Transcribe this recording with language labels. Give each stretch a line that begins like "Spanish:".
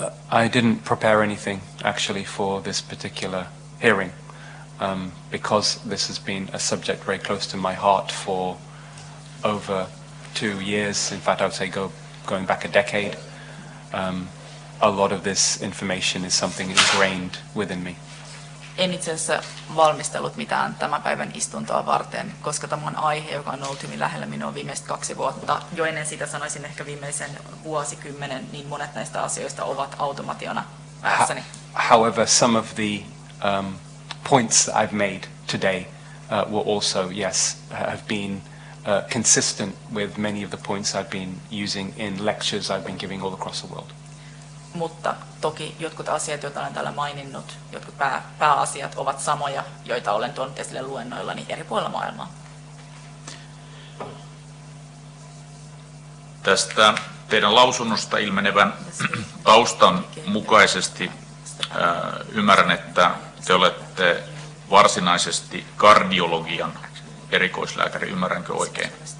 English: I didn't prepare anything actually for this particular hearing, because this has been a subject very close to my heart for over 2 years. In fact, I would say going back a decade. A lot of this information is something ingrained within me.
Finnish: En itse asiassa valmistellut mitään tämän päivän istuntoa varten, koska tämä on aihe, joka on ollut hyvin lähellä minua viimeiset 2 vuotta. Jo ennen sitä sanoisin ehkä viimeisen 10 vuotta, niin monet näistä asioista ovat automationa päässäni.
English: However, some of the points that I've made today were also, yes, have been consistent with many of the points I've been using in lectures I've been giving all across the world.
Finnish: Mutta toki jotkut asiat, joita olen täällä maininnut, jotkut pääasiat ovat samoja, joita olen tuonut esille luennoillani eri puolilla maailmaa. Tästä teidän lausunnosta ilmenevän taustan mukaisesti ymmärrän, että te olette varsinaisesti kardiologian erikoislääkäri. Ymmärränkö oikein?